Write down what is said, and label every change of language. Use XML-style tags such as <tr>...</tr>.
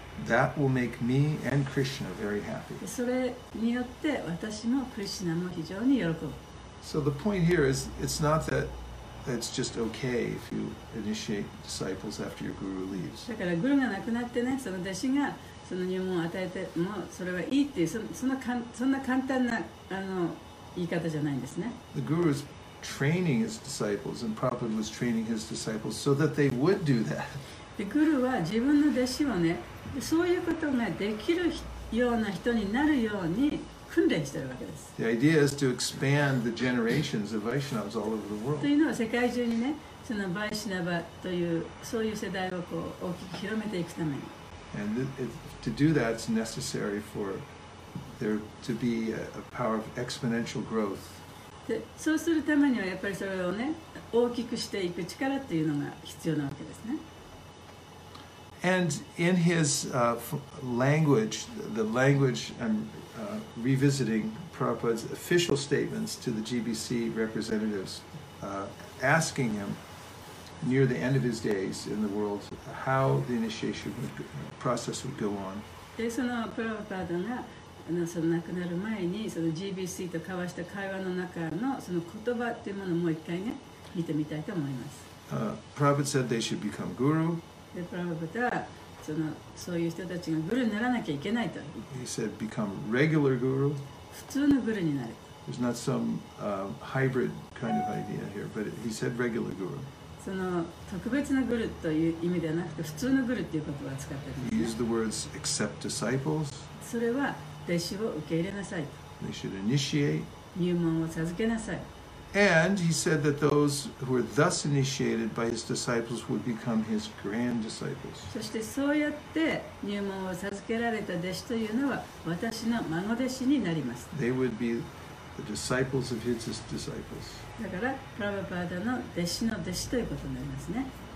<en>That will make me and Krishna very happy.</en> <ja>で、それによって私もクリシナも非常に喜ぶ。</ja> <en>So the point here is, it's not that it's just okay if you initiate disciples after your guru leaves.</en> <ja>だからグルが亡くなってね、その弟子がその入門を与えてもそれはいいっていう、そんな簡単な言い方じゃないんですね。</ja> <en>The guru is training his disciples, and Prabhupada was training his disciples so that they would do that.</en> <ja>で、グルは自分の弟子をね、そういうことができるような人になるように、訓練してるわけです。</ja> <en>The idea is to expand the generations of Vaishnavas all over the world.</en> <ja>というのは世界中にね、そのバイシナバというそういう世代をこう大きく広めていくために。</ja> <en>And to do that, it's necessary for there to be a power of exponential growth.</en> <ja>で、そうするためにはやっぱりそれをね、大きくしていく力というのが必要なわけですね。</ja> <en>And in his language, the language and revisiting Prabhupada's official statements to the GBC representatives, asking him near the end of his days in the world how the initiation process would go on.</en> <ja>で、そのプラバパードが亡くなる前にその GBC と交わした会話の中のその言葉というものをもう一回ね見てみたいと思います。</ja> <en>Prabhupada said they should become guru.</en> <ja>で、プラバパードはそういう人たちがグルにならなきゃいけないと。</ja> <en>He said, become regular guru.</en> <ja>普通のグルになる。</ja> <en>There's not some hybrid kind of idea here, but he said regular guru.</en> <ja>その特別なグルという意味ではなくて、普通のグルという言葉を使ってるんですね。</ja> <en>He used the words accept disciples.</en> <ja>それは弟子を受け入れなさいと。</ja> <en>They should initiate.</en> <ja>入門を授けなさい。</ja> <en>And he said that those who were thus initiated by his disciples would become his grand disciples.</en> <ja>そしてそうやって入門を授けられた弟子というのは私の孫弟子になります。</ja> <en>They would be the disciples of his disciples.</en> <ja>だからプラバパーダの弟子の弟子ということになりますね。</ja>